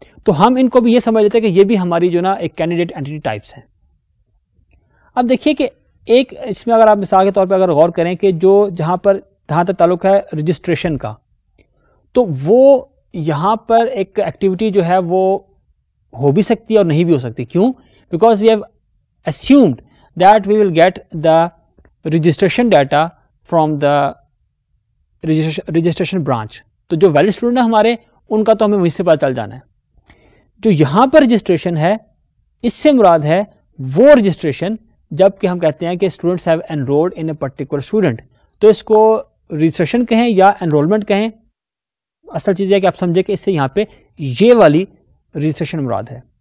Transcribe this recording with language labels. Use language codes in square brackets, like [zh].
[ur] تو ہم ان کو بھی یہ سمجھ لیتے کہ یہ بھی ہماری جو نا ایک کینڈیڈیٹ اینٹیٹی ٹائپس ہیں. اب دیکھیے کہ ایک اس میں اگر آپ مثال کے طور پہ اگر غور کریں کہ جو جہاں پر جہاں تک تعلق ہے رجسٹریشن کا, تو وہ یہاں پر ایک ایکٹیویٹی جو ہے وہ ہو بھی سکتی ہے اور نہیں بھی ہو سکتی. کیوں؟ [en] Because we have assumed that we will get the registration data from the registration branch. [ur] تو جو ویلڈ اسٹوڈنٹ ہیں ہمارے, ان کا تو ہمیں وہیں سے پتہ چل جانا ہے. جو یہاں پر رجسٹریشن ہے اس سے مراد ہے وہ رجسٹریشن جب کہ ہم کہتے ہیں کہ [en] Students have enrolled in a particular student. [ur] تو اس کو رجسٹریشن کہیں یا انرولمنٹ کہیں, اصل چیز یہ کہ آپ سمجھے کہ اس سے یہاں پہ یہ والی رجسٹریشن مراد ہے.